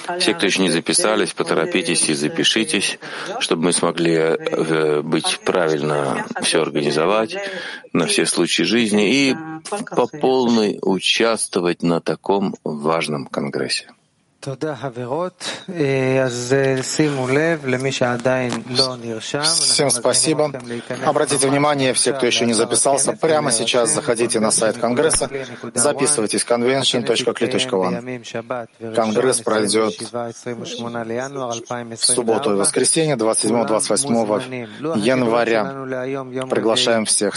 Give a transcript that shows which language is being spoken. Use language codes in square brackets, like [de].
[ru] Все, кто еще не записались, поторопитесь и запишитесь, чтобы мы смогли быть правильно все организовать на все случаи жизни и по полной участвовать на таком важном конгрессе. [he] תודה חברות. אז שימו לב למי שעדיין לא נרשם. [ru] Всем спасибо. Обратите внимание, все, кто еще не записался, прямо сейчас заходите на сайт Конгресса, записывайтесь convention.kli.on. Конгресс пройдет в субботу и воскресенье 27-28 января. Приглашаем всех.